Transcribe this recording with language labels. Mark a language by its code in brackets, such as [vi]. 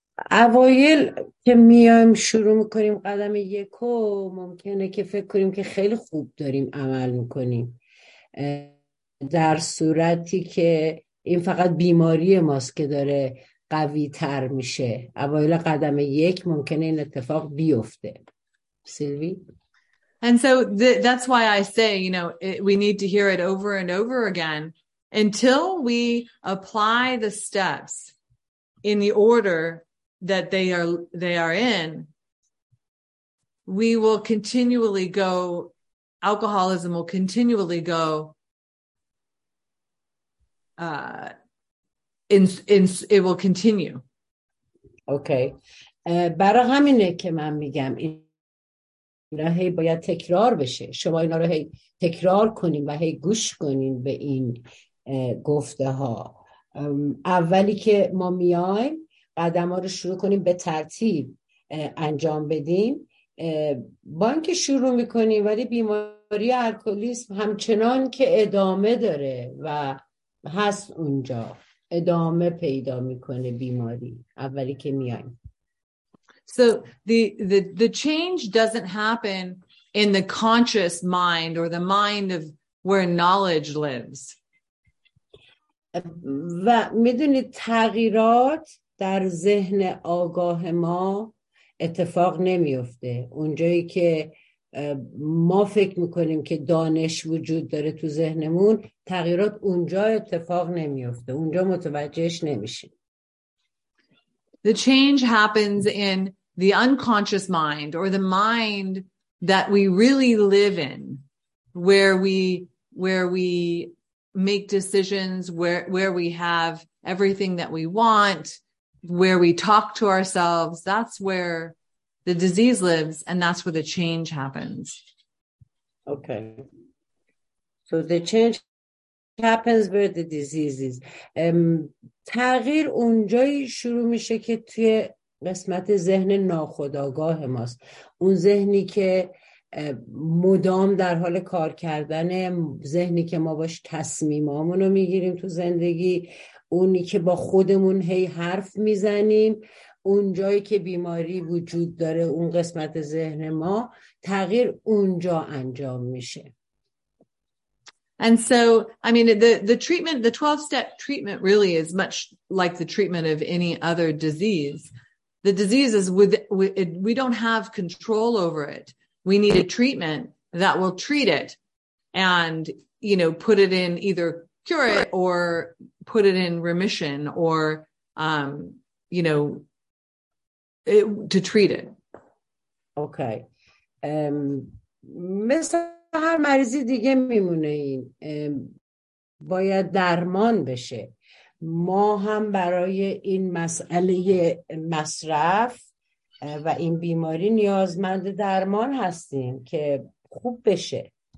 [fa] اوایل که میایم شروع میکنیم قدم یکو ممکنه که فکر کنیم که خیلی خوب داریم عمل میکنیم، در صورتی که این فقط بیماری ماست که داره قوی تر میشه. اوایل قدم یک ممکنه این اتفاق بیفته. سیلوی؟ [en] And so that's why I say, you know, we need to hear it over and over again until we apply the steps in the order that they are in, we will continually go, alcoholism will continually go in it will continue. Okay. [fa] برای همینه که من میگم اینا هی باید تکرار بشه. شما اینا رو هی تکرار کنین و هی گوش کنین به این گفته ها. اولی که ما میایم قدم ها رو شروع کنیم به ترتیب انجام بدیم، با اینکه شروع میکنیم ولی بیماری الکلیسم همچنان که ادامه داره و هست اونجا، ادامه پیدا میکنه بیماری اولی که میایم. [en] So the change doesn't happen in the conscious mind or the mind of where knowledge lives. [fa] و میدونید تغییرات در ذهن آگاه ما اتفاق نمیفته، اونجایی که ما فکر میکنیم که دانش وجود داره تو ذهنمون، تغییرات اونجا اتفاق نمیفته، اونجا متوجهش نمیشیم. [en] The change happens in the unconscious mind or the mind that we really live in, where we make decisions, where we have everything that we want, where we talk to ourselves. That's where the disease lives, and that's where the change happens. Okay. So the change happens where the disease is. [fa] تغییر اونجایی شروع میشه که توی قسمت ذهن ناخودآگاه ماست. اون ذهنی که مدام در حال کار کردن، ذهنی که ما باش تصمیمامونو میگیریم تو زندگی، اونی که با خودمون هی حرف میزنیم، اونجایی که بیماری وجود داره، اون قسمت ذهن ما، تغییر اونجا انجام میشه. [en] And so, I mean, the treatment, the 12-step treatment really is much like the treatment of any other disease. The disease is we don't have control over it. We need a treatment that will treat it and, you know, put it in, either cure it or put it in remission, or, you know, it, to treat it. Okay. [fa] مثل هر مریضی دیگه میمونه این. باید درمان بشه. ما هم برای این مسئله مصرف و این بیماری نیازمند درمان هستیم که خوب بشه.